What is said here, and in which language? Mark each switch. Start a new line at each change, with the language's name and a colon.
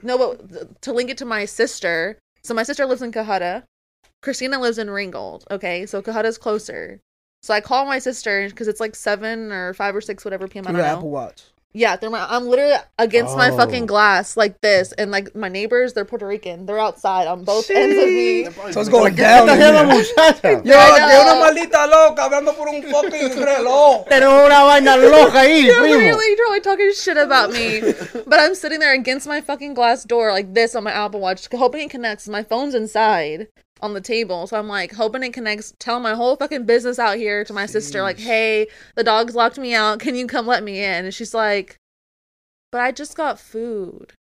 English: No, but to link it to my sister. So my sister lives in Cajada. Christina lives in Ringgold. Okay. So Cajada's closer. So I call my sister because it's like 7 or 5 or 6, whatever PM. Through I don't Apple know. Watch. Yeah, I'm literally against my fucking glass like this. And like my neighbors, they're Puerto Rican. They're outside on both ends of me. So it's going down.
Spanish: Yo, que una maldita loca hablando por un fucking reloj. Tengo una vaina loca ahí, primo.
English: You're literally probably talking shit about me. But I'm sitting there against my fucking glass door like this on my Apple Watch, hoping it connects. My phone's inside on the table. So I'm like hoping it connects. Tell my whole fucking business out here to my Jeez. Sister. Like, hey, the dogs locked me out. Can you come let me in? And she's like, but I just got food.